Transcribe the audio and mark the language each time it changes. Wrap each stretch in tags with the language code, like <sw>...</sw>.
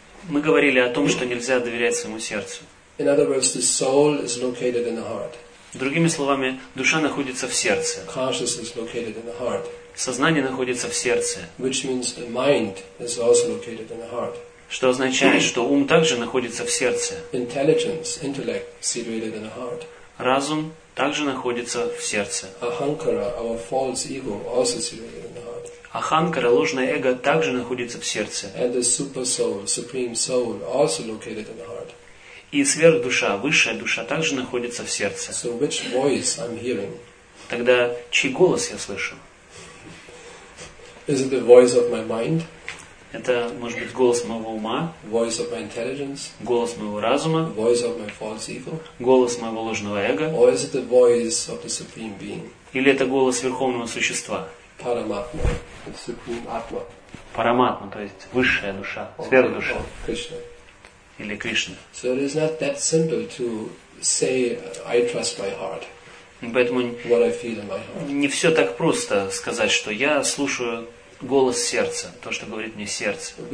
<ru>Мы говорили о том, что нельзя доверять своему сердцу.</ru> <en>In other words, the soul is located in the heart.</en> <ru>Другими словами, душа находится в сердце.</ru> <en>Consciousness is located in the heart.</en> <ru>Сознание находится в сердце.</ru> <en>Which means the mind is also located in the heart.</en> <ru>Что означает, что ум также находится в сердце.</ru> <en>Intelligence, intellect, situated in the heart.</en> <ru>Разум также находится в сердце.</ru> <en>Ahankara, our false ego, also situated in the heart.</en> <ru>Ahankara, ложное эго, также находится в сердце.</ru> <en>And the super soul, supreme soul, also located in the heart.</en> <ru>И сверхдуша, высшая душа, также находится в сердце.</ru> <en>So which voice I'm hearing?</en> <ru>Тогда чей голос я слышу?</ru> <en>Is it the voice of my mind?</en> <ru>Это может быть голос моего ума,</ru> <en>voice of my intelligence,</en> <ru>голос моего разума,</ru> <en>voice of my false ego,</en> <ru>голос моего ложного эго,</ru> <en>or is it the voice of the supreme being?</en> <ru>Или это голос Верховного Существа,</ru> <en>Параматма, the supreme Atma.</en> <ru>Параматма, то есть высшая душа, сверхдуша. Кришна. Или Кришна.</ru> <en>So it is not that simple to say I trust my heart.</en> <ru>Поэтому не все так просто сказать, что я слушаю голос сердца, то, что говорит мне сердце.</ru>